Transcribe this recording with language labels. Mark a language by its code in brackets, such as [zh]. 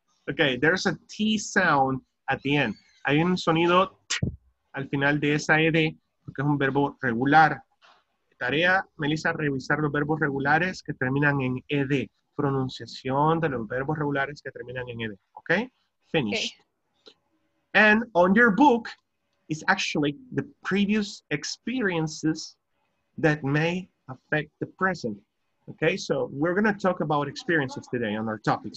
[en] Okay, there's a T sound at the end. [es] Hay un sonido T al final de esa ED, porque es un verbo regular. Tarea, Melissa, revisar los verbos regulares que terminan en ED. Pronunciación de los verbos regulares que terminan en ED. [en] Okay, finished. Okay. And on your book is actually the previous experiences that may affect the present. Okay, so we're going to talk about experiences today on our topic.